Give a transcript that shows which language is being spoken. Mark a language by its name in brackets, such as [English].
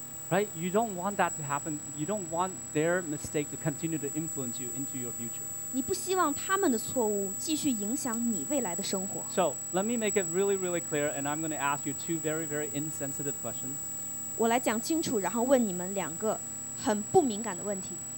[English] Right? You don't want that to happen. You don't want their mistake to continue to influence you into your future. [Chinese] 你不希望他们的错误继续影响你未来的生活。 [English] So let me make it really, really clear, and I'm going to ask you two very, very insensitive questions. [Chinese] 我来讲清楚，然后问你们两个很不敏感的问题。